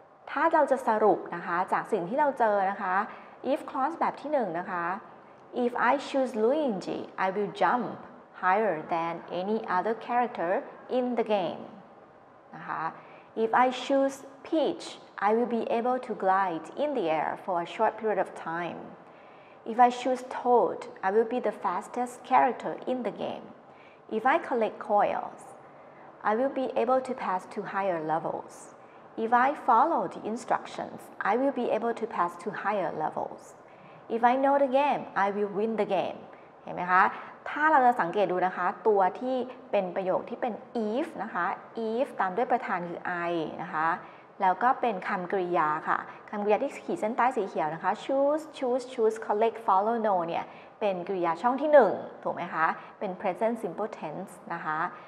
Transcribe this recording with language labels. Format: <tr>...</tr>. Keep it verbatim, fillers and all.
<th>ถ้าเราจะสรุปนะคะจากสิ่งที่เราเจอนะคะ</th> <en>if clause แบบที่หนึ่งนะคะ if I choose Luigi I will jump higher than any other character in the game นะคะ if I choose Peach I will be able to glide in the air for a short period of time If I choose Toad, I will be the fastest character in the game. If I collect coils, I will be able to pass to higher levels. If I follow the instructions, I will be able to pass to higher levels. If I know the game, I will win the game.</en> <th>เห็นไหมคะถ้าเราจะสังเกตดูนะคะตัวที่เป็นประโยคที่เป็น if นะคะ if ตามด้วยประธานคือ I นะคะแล้วก็เป็นคำกริยาค่ะคำกริยาที่ขีดเส้นใต้สีเขียวนะคะ choose choose choose collect follow know เนี่ยเป็นกริยาช่องที่หนึ่งถูกไหมคะเป็น present simple tense นะคะ</th>